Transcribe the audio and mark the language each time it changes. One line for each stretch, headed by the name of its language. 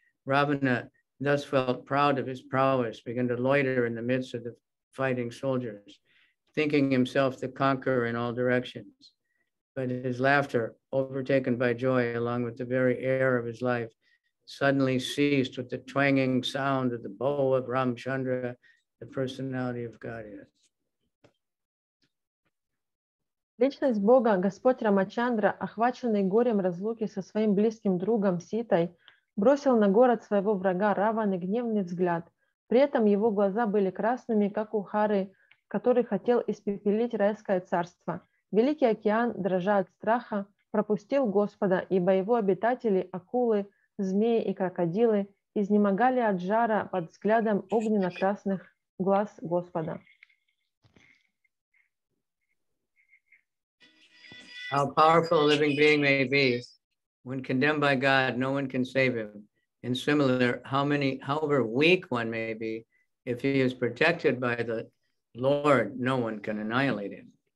English: Ravana thus felt proud of his prowess, began to loiter in the midst of the fighting soldiers, thinking himself the conqueror in all directions. But his laughter, overtaken by joy, along with the very air of his life, suddenly ceased with the twanging sound of the bow of Ramchandra, the personality of Godhead.
Russian: Личность Бога, Господь Рамачандра, охваченный горем разлуки со своим близким другом Ситой, бросил на город своего врага Раваны гневный взгляд. При этом его глаза были красными, как у Хары, который хотел испепелить райское царство. Великий океан, дрожа от страха, пропустил Господа, ибо его обитатели, акулы, змеи и крокодилы, изнемогали от жара под взглядом огненно-красных глаз Господа.
English: How powerful a living being may be. When condemned by God, no one can save him. In similar, however weak one may be, if he is protected by the Lord, no one can annihilate him.